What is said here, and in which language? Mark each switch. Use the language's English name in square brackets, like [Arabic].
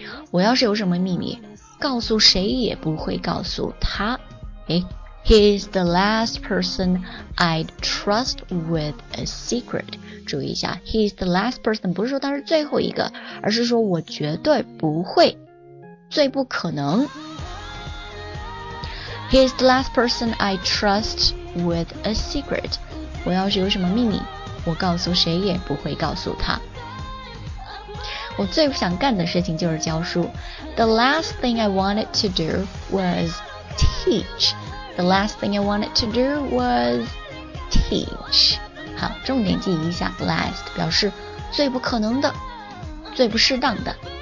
[Chinese] 我要是有什么秘密告诉谁也不会告诉他 [English] He's the last person I'd trust with a secret [Chinese] 注意一下 [English] He's the last person [Chinese] 不是说他是最后一个而是说我绝对不会最不可能 [English] He's the last person I trust with a secret. [Chinese] 我要是有什么秘密，我告诉谁也不会告诉他。我最不想干的事情就是教书。 [English] The last thing I wanted to do was teach. The last thing I wanted to do was teach. [Chinese] 好，重点记一下 last 表示最不可能的，最不适当的。